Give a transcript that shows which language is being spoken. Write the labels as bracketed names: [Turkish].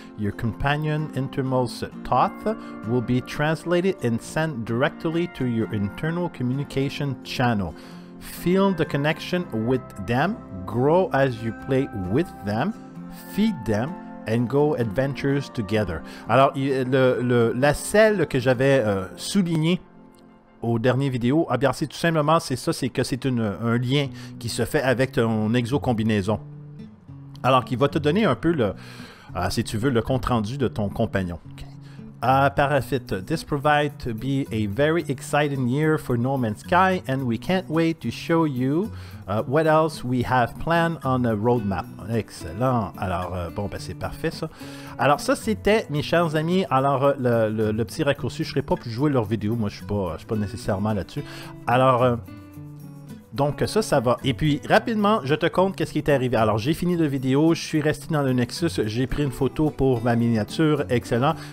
[English] Your companion innermost thought will be translated and sent directly to your internal communication channel. Feel the connection with them, grow as you play with them, feed them, and go adventures together. [French] Alors, la selle que j'avais soulignée aux dernières vidéos, ah bien, c'est tout simplement, c'est ça, c'est que c'est un lien qui se fait avec ton exo-combinaison. Alors, qui va te donner un peu le, si tu veux, le compte-rendu de ton compagnon. Okay. Parfait. [English] This provides to be a very exciting year for No Man's Sky, and we can't wait to show you what else we have planned on the roadmap. [French] Excellent. Alors, c'est parfait, ça. Alors ça, c'était, mes chers amis, alors le petit raccourci, je ne serai pas plus jouer leur vidéo, moi je suis pas nécessairement là-dessus. Alors, donc ça va. Et puis, rapidement, je te compte qu'est-ce qui est arrivé. Alors, j'ai fini la vidéo, je suis resté dans le Nexus, j'ai pris une photo pour ma miniature, excellent.